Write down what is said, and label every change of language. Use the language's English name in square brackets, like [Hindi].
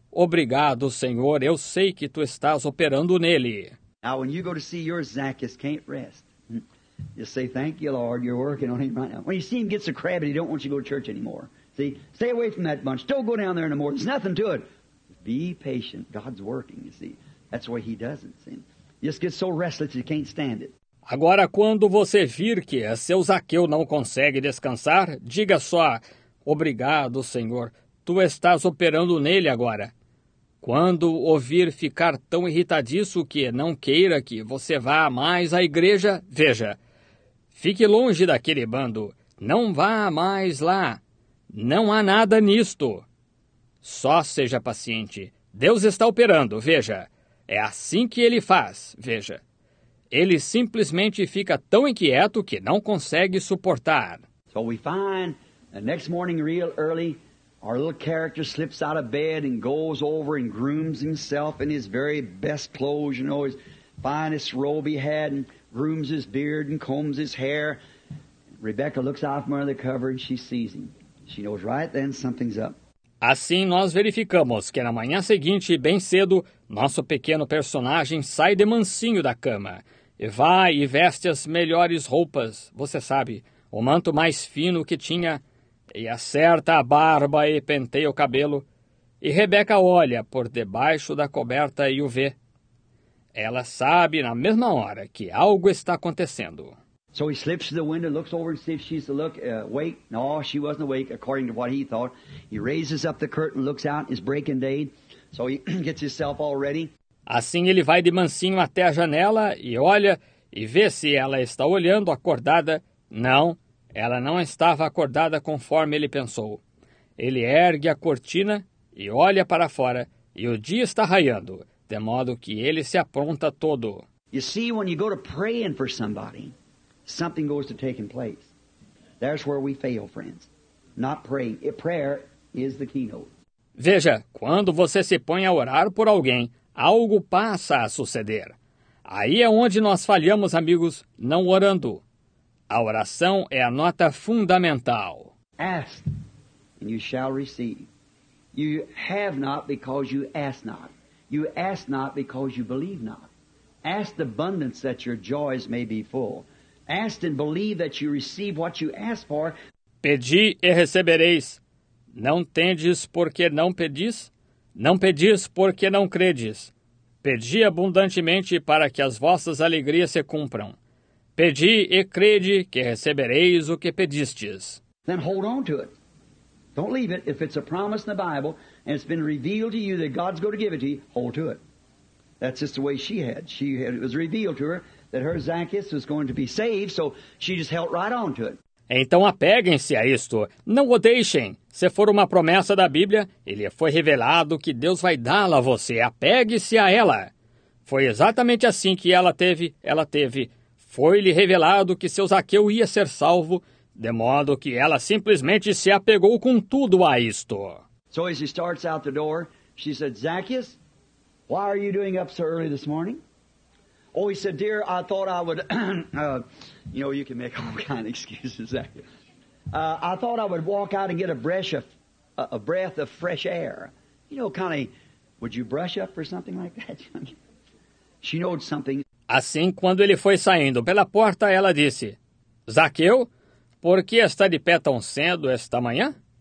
[Portuguese] Obrigado, Senhor, eu sei que Tu estás operando nele. [English] Now, when you go to see your Zacchaeus can't rest. Just say, thank you, Lord, you're working on him right now. When you see him get so crabby, he don't want you to go to church anymore. See, stay away from that bunch. Don't go down there anymore. There's nothing to it. Be patient. God's working, you see. That's why he doesn't sin. Just get so restless you can't stand it. [Portuguese] Agora, quando você vir que seu Zaqueu não consegue descansar, diga só, obrigado, Senhor, Tu estás operando nele agora. Quando ouvir ficar tão irritadiço que não queira que você vá mais à igreja, veja, fique longe daquele bando, não vá mais lá, não há nada nisto. Só seja paciente, Deus está operando, veja, é assim que Ele faz, veja. Ele simplesmente fica tão inquieto que não consegue suportar. [English] So we find the next morning real early. Our little character slips out of bed and goes over and grooms himself in his very best clothes, you know, his finest robe he had, and grooms his beard and combs his hair. Rebecca looks out from under the cover and she sees him. She knows right then something's up. [Portuguese] Assim nós verificamos que na manhã seguinte, bem cedo, nosso pequeno personagem sai de mansinho da cama e vai e veste as melhores roupas, você sabe, o manto mais fino que tinha, e acerta a barba e penteia o cabelo, e Rebeca olha por debaixo da coberta e o vê. Ela sabe na mesma hora que algo está acontecendo. [English] So he slips to the window, looks over and sees she's awake. No, she wasn't awake, according to what he thought. He raises up the curtain, looks out, it's breaking day. So he gets himself all ready. [Portuguese] Assim ele vai de mansinho até a janela e olha e vê se ela está olhando acordada. Não, ela não estava acordada conforme ele pensou. Ele ergue a cortina e olha para fora e o dia está raiando, de modo que ele se apronta todo. [English] You see, when you go to praying for somebody, something goes to taking place. That's where we fail, friends. Not praying. Prayer is the keynote. [Portuguese] Veja, quando você se põe a orar por alguém, algo passa a suceder. Aí é onde nós falhamos, amigos, não orando. A oração é a nota fundamental. [English] Ask, and you shall receive. You have not because you ask not. You ask not because you believe not. Ask the abundance that your joys may be full. Ask and believe that you receive what you ask for. [Portuguese] Pedi e recebereis. Não tendes porque não pedis? Não pedis porque não credes. Pedi abundantemente para que as vossas alegrias se cumpram. Pedi e crede que recebereis o que pedistes. [English] Then hold on to it. Don't leave it. If it's a promise in the Bible and it's been revealed to you that God's going to give it to you, hold to it. That's just the way she had. It was revealed to her that her Zacchaeus was going to be saved, so she just held right on to it. [Portuguese] Então apeguem-se a isto. Não o deixem. Se for uma promessa da Bíblia, ele foi revelado que Deus vai dá-la a você. Apegue-se a ela. Foi exatamente assim que ela teve. Foi-lhe revelado que seu Zaqueu ia ser salvo, de modo que ela simplesmente se apegou com tudo a isto. [English] So as he starts out the door, she said, Zacchaeus, why are you doing up so early this morning? Oh, he said, dear, I thought I would, you know, you can make all kind of excuses, Zacchaeus. I thought I would walk out and get a breath of fresh air. You know, Connie, would you brush up for something like that? She knows something. [Portuguese] Assim, quando ele foi saindo pela porta, ela disse, Zaqueu, por que está de pé tão cedo esta manhã?